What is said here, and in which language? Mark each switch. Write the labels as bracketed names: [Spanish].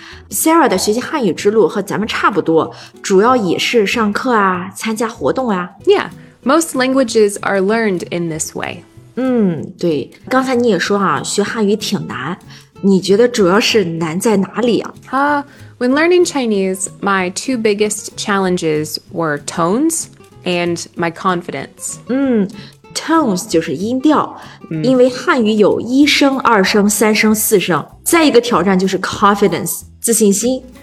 [Chinese] Sarah 的学习汉语之路和咱们差不多，主要也是上课啊，参加活动啊。 [English] Yeah, most languages are learned in this way. [Chinese] 对。刚才你也说啊，学汉语挺难。你觉得主要是难在哪里啊? [English] When learning Chinese, my two biggest challenges were tones and my confidence. [Chinese] Tones 就是音调,因为汉语有一声、二声、三声、四声。再一个挑战就是 confidence, 自信心。